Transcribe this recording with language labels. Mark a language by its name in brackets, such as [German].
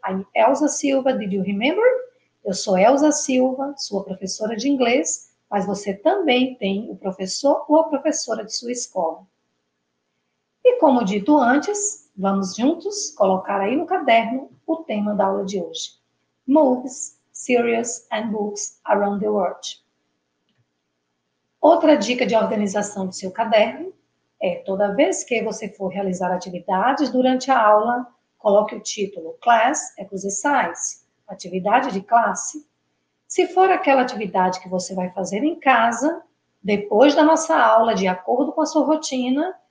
[English] I'm Elza Silva, did you remember? [Portuguese] Eu sou Elza Silva, sua professora de inglês, mas você também tem o professor ou a professora de sua escola. E como dito antes, vamos juntos colocar aí no caderno o tema da aula de hoje. [English] Movies, series and books around the world. [Portuguese] Outra dica de organização do seu caderno é toda vez que você for realizar atividades durante a aula, coloque o título Class Exercise, atividade de classe. Se for aquela atividade que você vai fazer em casa, depois da nossa aula, de acordo com a sua rotina,